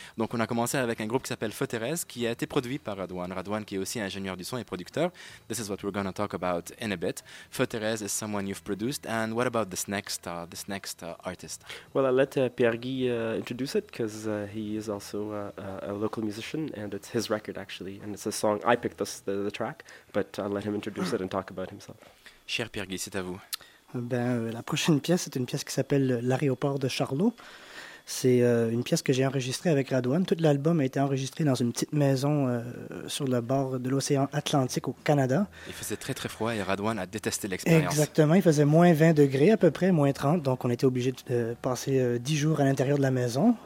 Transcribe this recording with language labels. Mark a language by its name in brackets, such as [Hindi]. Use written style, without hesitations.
[French] Donc on a commencé avec un groupe qui s'appelle Feu Thérèse, qui a été produit par Radouane. Radouane qui est aussi ingénieur du son et producteur. [English] This is what we're going to talk about in a bit. Feu Thérèse is someone you've produced. And what about this next artist? Well, I'll let Pierre Guy introduce it, because he is also a local musician, and it's his record, actually. And it's a song, I picked the track, but I'll let him introduce it and talk about himself. [French] Cher Pierre Guy, c'est à vous. La prochaine pièce, c'est une pièce qui s'appelle L'aéroport de Charlot. C'est une pièce que j'ai enregistrée avec Radouane. Tout l'album a été enregistré dans une petite maison sur le bord de l'océan Atlantique au Canada. Il faisait très très froid et Radouane a détesté l'expérience. Exactement, il faisait moins 20 degrés à peu près, moins 30. Donc on était obligé de passer 10 jours à l'intérieur de la maison.